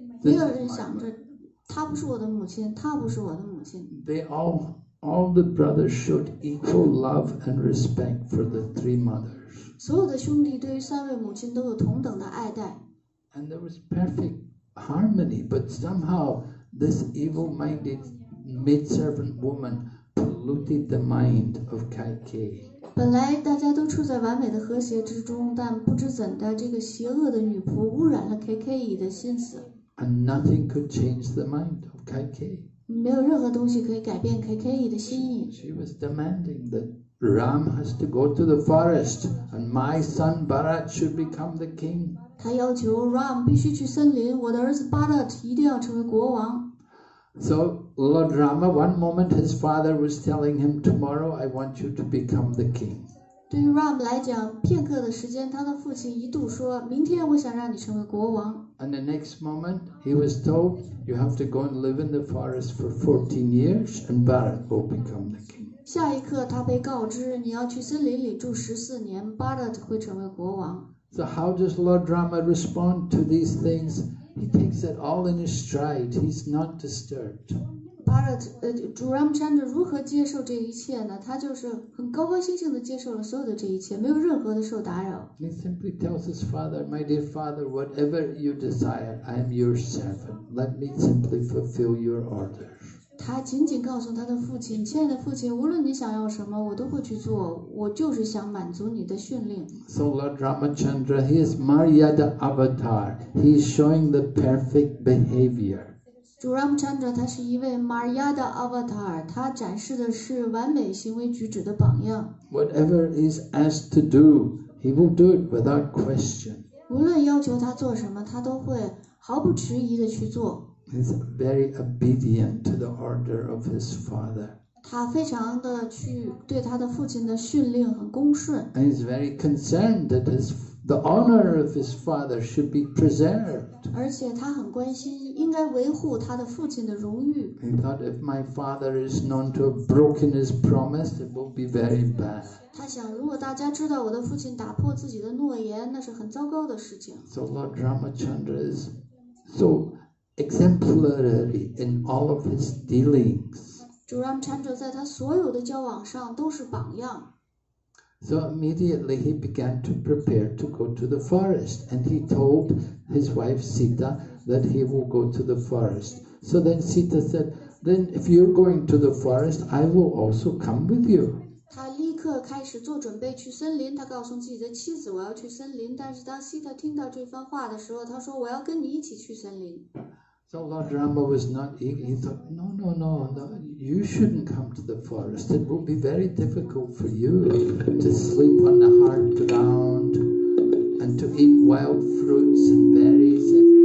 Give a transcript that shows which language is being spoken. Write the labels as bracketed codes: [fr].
[zh] 没有人想着，她不是我的母亲，她不是我的母亲。 [en] All the brothers showed equal love and respect for the three mothers. [zh] 所有的兄弟对于三位母亲都有同等的爱戴。 [en] And there was perfect harmony, but somehow this evil-minded maidservant woman polluted the mind of Kaikeyi. [zh] 本来大家都处在完美的和谐之中，但不知怎的，这个邪恶的女仆污染了 Kaikeyi 的心思。 [en] And nothing could change the mind of Kaikeyi. [zh] 没有任何东西可以改变 Kaikeyi 的心意。 [en] She was demanding that Ram has to go to the forest and my son Bharat should become the king. [zh] 她要求 Ram 必须去森林，我的儿子 Bharat 一定要成为国王。 [en] So Lord Rama, one moment his father was telling him, "Tomorrow I want you to become the king." [zh] 对于 Ram 来讲，片刻的时间，他的父亲一度说，明天我想让你成为国王。 [en] And the next moment, he was told, you have to go and live in the forest for 14 years, and Bharat will become the king. [zh] 下一刻他被告知你要去森林里住14年 Bharat 会成为国王。 [en] So how does Lord Rama respond to these things? He takes it all in his stride. He's not disturbed. [zh] Bharat 主 Ramchandra 如何接受这一切呢？他就是很高高兴兴地接受了所有的这一切，没有任何的受打扰。 [en] He simply tells his father, "My dear father, whatever you desire, I am your servant. Let me simply fulfill your order." [zh] 他仅仅告诉他的父亲，亲爱的父亲，无论你想要什么，我都会去做，我就是想满足你的训令。 [en] So Lord Ramchandra, he is Maryada avatar. He is showing the perfect behavior. [zh] 主 Ramchandra 他是一位 Maryada avatar， 他展示的是完美行为举止的榜样。 [en] Whatever is asked to do, he will do it without question. [zh] 无论要求他做什么，他都会毫不迟疑的去做。 [en] He's very obedient to the order of his father. [zh] 他非常的去对他的父亲的训令很恭顺。 [en] And he's very concerned that his the honor of his father should be preserved. [zh] 而且他很关心。应该维护他的父亲的荣誉。 [en] He thought if my father is known to have broken his promise, it will be very bad. [zh] 他想，如果大家知道我的父亲打破自己的诺言，那是很糟糕的事情。 [en] So Lord Ramachandra is so exemplary in all of his dealings. [zh] 主 Ramachandra 在他所有的交往上都是榜样。 [en] So immediately he began to prepare to go to the forest, and he told his wife Sita. That he will go to the forest. So then Sita said, "Then if you're going to the forest, I will also come with you." [zh] 他立刻开始做准备去森林。他告诉自己的妻子，我要去森林。但是当 Sita 听到这番话的时候，他说，我要跟你一起去森林。 [en] So Lord Rama was not eager. He thought, no, you shouldn't come to the forest. It will be very difficult for you to sleep on the hard ground and to eat wild fruits and berries.